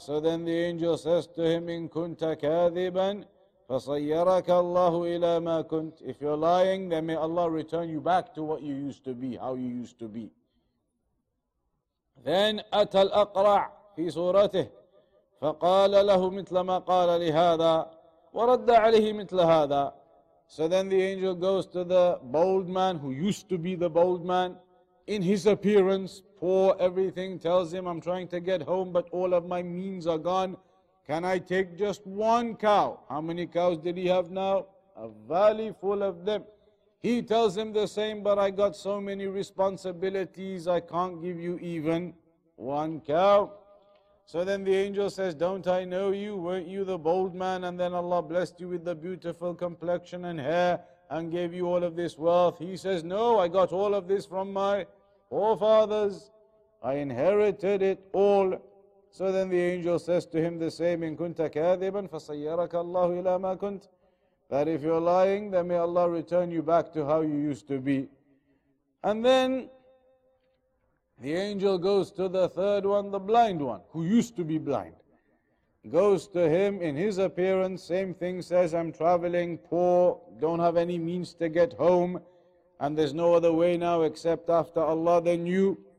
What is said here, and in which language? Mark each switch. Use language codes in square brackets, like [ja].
[en] So then the angel says to him, [ar] إن كنت كاذبا فصيرك الله إلى ما كنت. [en] If you're lying, then may Allah return you back to what you used to be, how you used to be. Then [ar] أتى الأقرع في صورته فقال له مثل ما قال لهذا ورد عليه مثل هذا. [en] So then the angel goes to the bold man who used to be the bold man. In his appearance, poor, everything, tells him, I'm trying to get home, but all of my means are gone. Can I take just one cow? How many cows did he have now? A valley full of them. He tells him the same, but I got so many responsibilities, I can't give you even one cow. So then the angel says, don't I know you? Weren't you the bold man? And then Allah blessed you with the beautiful complexion and hair, and gave you all of this wealth. He says, no, I got all of this from my forefathers. I inherited it all. So then the angel says to him the same, [ar] إن كنت كاذبا فصيرك الله إلى ما كنت. [en] That if you're lying, then may Allah return you back to how you used to be. And then the angel goes to the third one, the blind one, who used to be blind. Goes to him in his appearance, same thing, says, I'm traveling, poor, don't have any means to get home, and there's no other way now except after Allah than you.